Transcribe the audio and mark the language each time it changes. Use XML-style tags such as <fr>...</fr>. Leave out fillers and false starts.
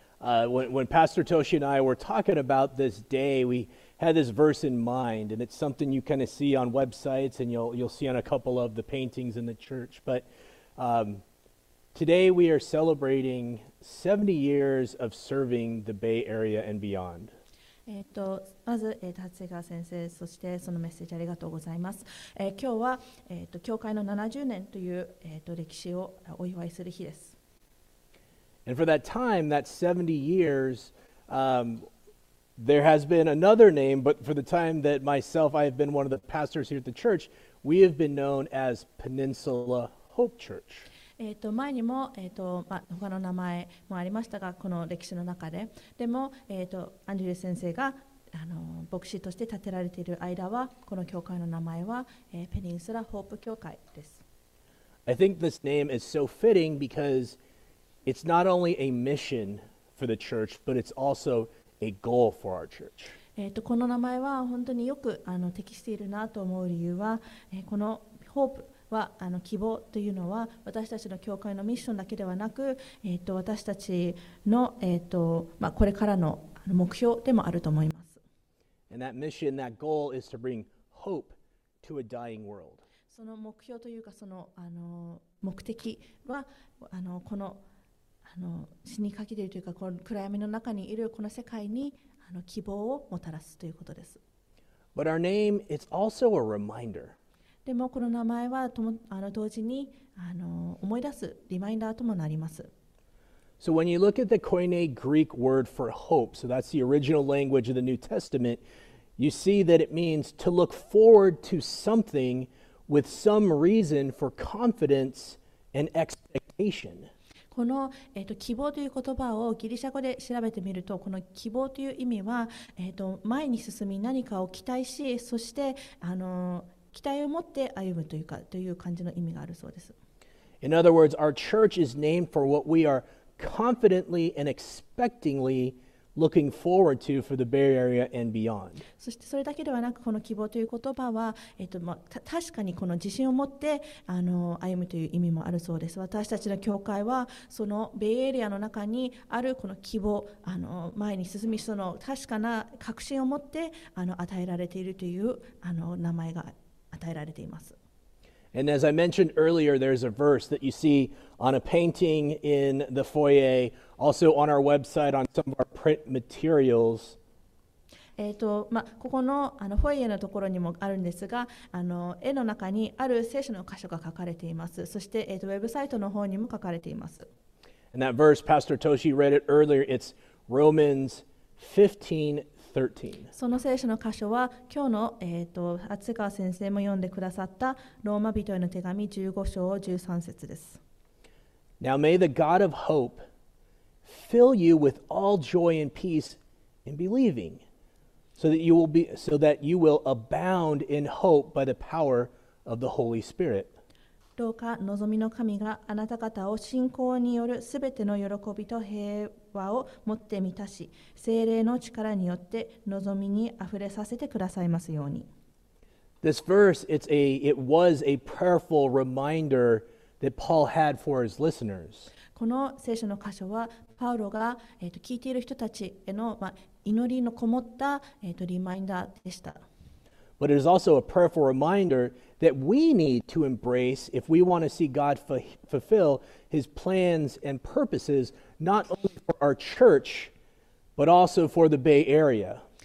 <en>When Pastor Toshi and I were talking about this day, we had this verse in mind, and it's something you kind of see on websites, and you'll see on a couple of the paintings in the church. But today we are celebrating 70 years of serving the Bay Area and beyond.</en> <ja>まず、達川先生、そしてそのメッセージありがとうございます。今日は、教会の70年という、歴史をお祝いする日です。</ja> <en>And for that time, that 70 years, there has been another name, but for the time that myself, I have been one of the pastors here at the church, we have been known as Peninsula Hope Church.</en> <ja>前にも、他の名前もありましたが、この歴史の中で。でも、アンジュリー先生が牧師として建てられている間は、この教会の名前は、Peninsula Hope 教会です。</ja> <en>I think this name is so fitting because... It's not only a mission for the church, but it's also a goal for our church.</en> <ja>この名前は本当によく適しているなと思う理由は、この Hope は希望というのは私たちの教会のミッションだけではなく、私たちの、これからの目標でもあると思います。</ja> <en>And that mission, that goal is to bring hope to a dying world.</en> <ja>その目標というかその目的はこの死にかけているというかこの暗闇の中にいるこの世界に希望をもたらすということです。</ja> <en>But our name, it's also a reminder.</en> <ja>でもこの名前は同時に思い出すリマインダーともなります。</ja> <en>So when you look at the Koine Greek word for hope, so that's the original language of the New Testament, you see that it means to look forward to something with some reason for confidence and expectation.</en> <ja>この、希望という言葉をギリシャ語で調べてみると、この希望という意味は、前に進み何かを期待し、そして期待を持って歩むというか、という感じの意味があるそうです。</ja> <en>In other words, our church is named for what we are confidently and expectingly looking forward to for the Bay Area and beyond.</en> <ja>そしてそれだけではなく、この希望という言葉は、確かにこの自信を持って歩むという意味もあるそうです。私たちの教会は、そのベイエリアの中にあるこの希望、前に進み、その確かな確信を持って与えられているという名前が与えられています。</ja> <en>And as I mentioned earlier, there's a verse that you see on a painting in the foyer, also on our website, on some of our print materials.</en> <ja>ここの、フォイエのところにもあるんですが、絵の中にある聖書の箇所が書かれています。そして、ウェブサイトの方にも書かれています。</ja> <en>And that verse, Pastor Toshi read it earlier, it's Romans 15:3. 13.</en> <ja>その聖書の箇所は今日の厚川先生も読んでくださったローマ人への手紙15章13節です。</ja> <en>Now may the God of hope fill you with all joy and peace in believing, so that you will abound in hope by the power of the Holy Spirit.</en> <ja>どうか望みの神があなた方を信仰によるすべての喜びと平和を持って満たし、聖霊の力によって望みにあふれさせてくださいますように。</ja> <en>This verse, it was a prayerful reminder that Paul had for his listeners.</en> <ja>この聖書の箇所は、パウロが、聞いている人たちへの、祈りのこもった、リマインダーでした。</ja> <en>But it is also a prayerful reminder that we need to embrace if we want to see God fulfill his plans and purposes, not only for our church, but also for the Bay Area.</en>